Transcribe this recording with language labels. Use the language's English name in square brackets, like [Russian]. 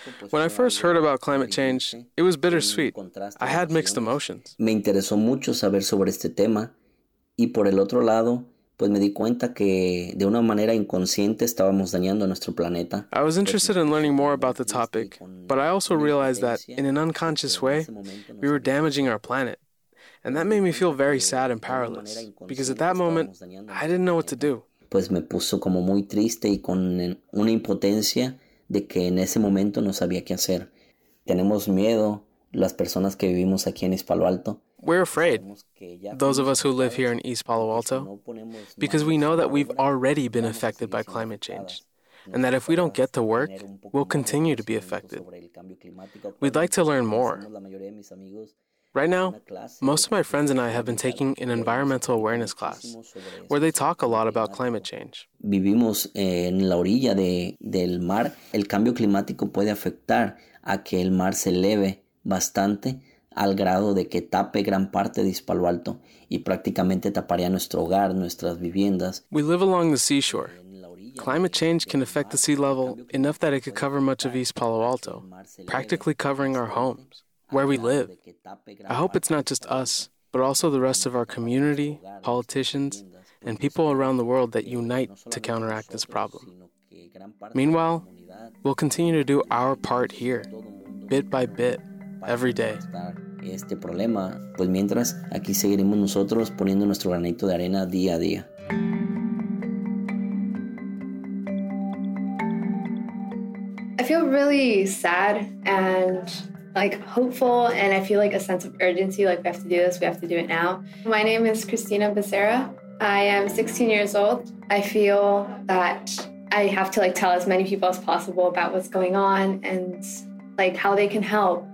[English] When I first heard about climate change, it was bittersweet. I had mixed emotions. [Spanish] Me interesó mucho saber sobre este tema, y por el otro lado, pues me di cuenta que de una manera inconsciente estábamos dañando nuestro planeta. [English] I was interested in learning more about the topic, but I also realized that, in an unconscious way, we were damaging our planet. And that made me feel very sad and powerless, because at that moment, I didn't know what to do. [Spanish] Pues me puso como muy triste y con una impotencia de que en ese momento no sabía qué hacer. Tenemos miedo, las personas que vivimos aquí en East Palo Alto. [English] We're afraid, those of us who live here in East Palo Alto, because we know that we've already been affected by climate change. And that if we don't get to work, we'll continue to be affected. We'd like to learn more. Right now, most of my friends and I have been taking an environmental awareness class, where they talk a lot about climate change. [Spanish] Vivimos en la orilla del mar. El cambio climático puede afectar a que el mar se eleve bastante al grado de que tape gran parte de East Palo Alto y prácticamente taparía nuestro hogar, nuestras viviendas. [English] We live along the seashore. Climate change can affect the sea level enough that it could cover much of East Palo Alto, practically covering our homes. Where we live. I hope it's not just us, but also the rest of our community, politicians, and people around the world that unite to counteract this problem. Meanwhile, we'll continue to do our part here, bit by bit, every day. [Spanish] Este problema, pues mientras aquí seguiremos nosotros poniendo nuestro granito de arena día a día. [English] I feel really sad and like hopeful, and I feel like a sense of urgency, like we have to do this, we have to do it now. My name is Christina Becerra. I am 16 years old. I feel that I have to like tell as many people as possible about what's going on and like how they can help.